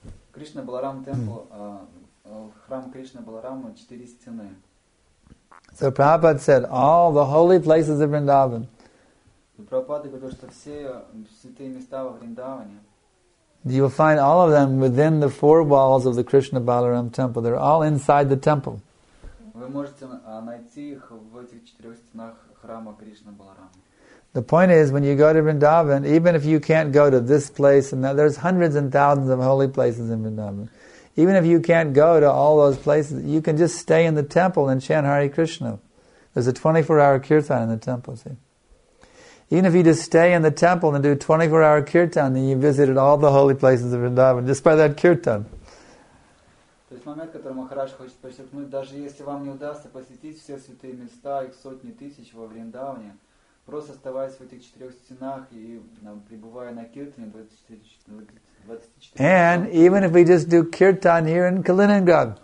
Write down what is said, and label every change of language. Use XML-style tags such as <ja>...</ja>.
<en>Krishna Balaram temple,</en> <ru>Храм Кришна Баларама, четыре стены.</ru> <en>So Prabhupada said, all the holy places of Vrindavan.</en> <ru>Prabhupada говорил, что все святые места во Вриндаване.</ru> <en>You will find all of them within the four walls of the Krishna Balaram temple. They're all inside the temple.</en> <ru>Вы можете найти их в этих четырех стенах храма Кришна Баларама.</ru> <en>The point is, when you go to Vrindavan, even if you can't go to this place and that, there's hundreds and thousands of holy places in Vrindavan. Even if you can't go to all those places, you can just stay in the temple and chant Hare Krishna. There's a 24-hour kirtan in the temple, see. Even if you just stay in the temple and do 24-hour kirtan, then you visited all the holy places of Vrindavan just by that kirtan.</en> <ru>То есть момент, который Махарадж хочет подчеркнуть, даже если вам не удастся посетить все святые места, их сотни тысяч во Вриндаване, просто оставаясь в этих четырех стенах и пребывая на киртане 24</ru> <en>And even if we just do kirtan here in Kaliningrad.</en>